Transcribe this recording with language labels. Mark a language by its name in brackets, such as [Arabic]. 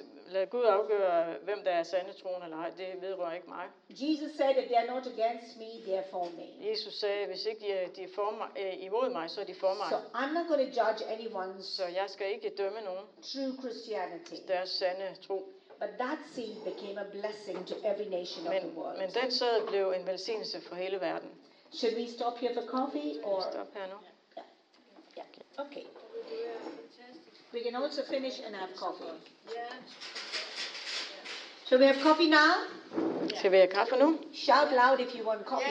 [Danish] Lad Gud afgøre, hvem der er sande troende eller ej. Det vedrører ikke mig. [English] Jesus said if they are not against me, they are for me. [Danish] Jesus sagde, hvis ikke de er for mig, imod mig, så er de for mig. [English] So I'm not going to judge anyone's. [Danish] Så jeg skal ikke dømme nogen. [English] True Christianity. [Danish] Deres sande tro. [English] But that seed became a blessing to every nation [Danish] men, [English] of the world. [Danish] Men den sæd blev en velsignelse for hele verden. [English] Should we stop here for coffee or? [Danish] Stop her nu. [English] Yeah. Okay. We can also finish and have coffee. Yeah. Shall we have coffee now? [Danish] Skal vi have kaffe nu? [English] Shout loud if you want coffee